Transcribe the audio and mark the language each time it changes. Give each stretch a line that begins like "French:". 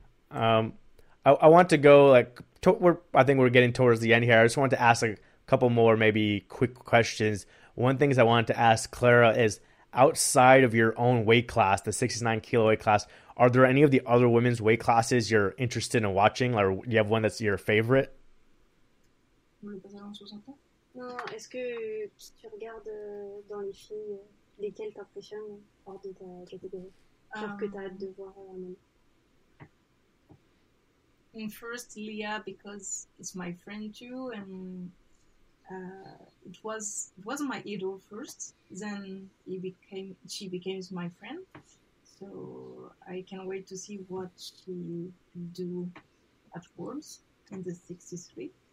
English: I want to go like to we're I think we're getting towards the end here. I just wanted to ask a couple more maybe quick questions. One thing I wanted to ask Clara is, outside of your own weight class, the 69 kilo weight class, are there any of the other women's weight classes you're interested in watching, or do you have one that's your favorite?
French: Non, est-ce que tu regardes dans les filles lesquelles t'impressionnent hors de ta catégorie? Genre que tu as hâte de voir
English: First, Leah, because it's my friend too, and it was my idol first. Then she became my friend, so I can't wait to see what she do at Worlds in the 63.